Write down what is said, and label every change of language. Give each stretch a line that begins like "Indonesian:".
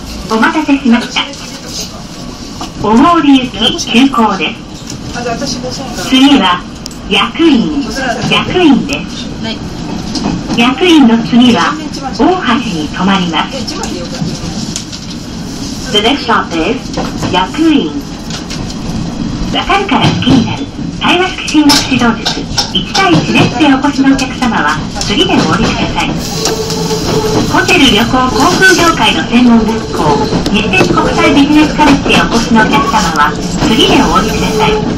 Japanese: お待たせしました。おごり行き急行です。次は薬院、薬院です。薬院の次は大橋に止まります。
English: The next stop is 薬院。
Japanese: わかるから好きになる。対話式進学指導術1対1レッスンでお越しのお客様は次でお降りください。ホテル旅行航空業界の専門学校日鉄国際ビジネスカレッジでお越しのお客様は次でお降りください。